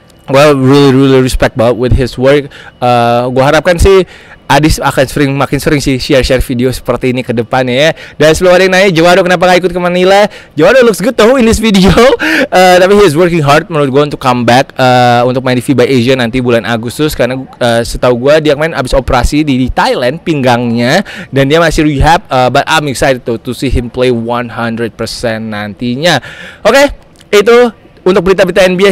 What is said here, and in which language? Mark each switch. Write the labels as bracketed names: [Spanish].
[English] Well, really, really respect about with his work. [Indonesian] Gua harapkan sih Adis akan sering, makin sering sih share-share video seperti ini ke depannya ya. Dan sebelum ada yang nanya, Juwado kenapa gak ikut ke Manila? [English] Juwado looks good though in this video. [Indonesian] Tapi [English] he is working hard [Indonesian] menurut gue untuk comeback untuk main di FIBA Asia nanti bulan Agustus. Karena setahu gue dia main abis operasi di Thailand pinggangnya, dan dia masih rehab. [English] But I'm excited though to see him play 100% nantinya. [Indonesian] Oke, okay, itu untuk berita-berita NBA.